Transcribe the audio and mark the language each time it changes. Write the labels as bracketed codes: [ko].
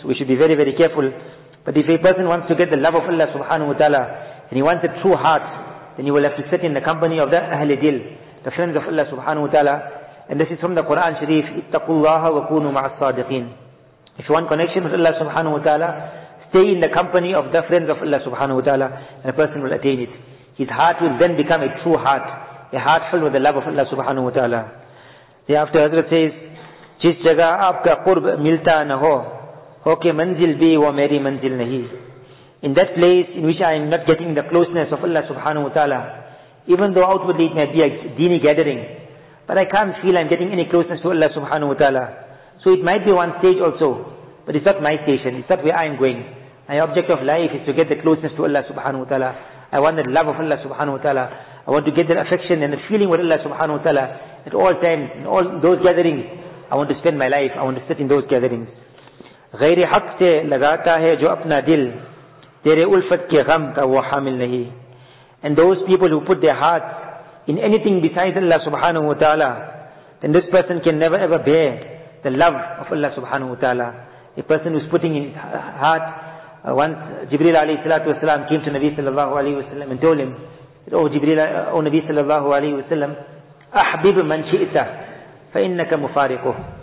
[en] So we should be very, very careful. But if a person wants to get the love of Allah subhanahu wa ta'ala, and he wants a true heart, then he will have to sit in the company of the Ahli Deel, the friends of Allah subhanahu wa ta'ala. And this is from the Quran Sharif, [ar] اتَّقُوا اللَّهَ وَكُونُوا مَعَ الصَّادِقِينَ. [en] If you want connection with Allah subhanahu wa ta'ala, stay in the company of the friends of Allah subhanahu wa ta'ala, and a person will attain it. His heart will then become a true heart, a heart filled with the love of Allah subhanahu wa ta'ala. Thereafter, Hazrat says, [ur] جِسْ جَگَا آپ کا قُرْب ملتا نہ ہو، ہوکے منزل بھی وہ میری منزل نہیں. [en] In that place in which I am not getting the closeness of Allah subhanahu wa ta'ala, even though outwardly it may be a deeni gathering, but I can't feel I'm getting any closeness to Allah subhanahu wa ta'ala. So it might be one stage also, but it's not my station, it's not where I am going. My object of life is to get the closeness to Allah subhanahu wa ta'ala. I want the love of Allah subhanahu wa ta'ala. I want to get the affection and the feeling with Allah subhanahu wa ta'ala. at all times, in all those gatherings, I want to spend my life, I want to sit in those gatherings. [ur] غیرِ حق سے لگاتا ہے جو اپنا دل تیرے الفت کے غم کا وہ حامل نہیں. [en] And those people who put their heart in anything besides Allah subhanahu wa ta'ala, then this person can never ever bear the love of Allah subhanahu wa ta'ala. A person who's putting in his heart, once Jibreel alayhi salatu wa salam came to Nabi sallallahu alayhi wa sallam and told him, oh Jibreel, oh Nabi sallallahu alayhi wa sallam, [ar] أحبب من شئت فإنك مفارقه.